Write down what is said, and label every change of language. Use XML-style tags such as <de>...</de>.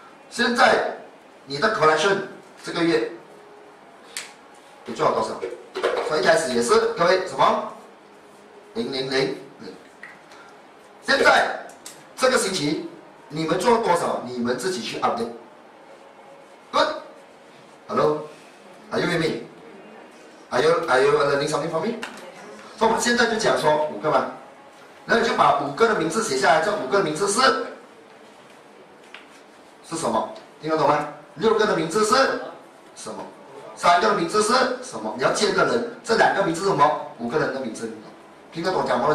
<zh>现在你的 collection 这个月你赚了多少？所以一开始也是各位什么零零零零。现在这个星期你们做多少？你们自己去 update。</zh> <en>Good。 Hello。 Are you with me? Are you learning something from me?</en> <zh>所以我们现在就讲说五个嘛，那你就把五个的名字写下来，这五个的名字是什么？听得懂吗？六个的名字是什么？三个的名字是什么？你要见个人，这两个名字是什么？五个人的名字，听得懂我讲吗？</zh>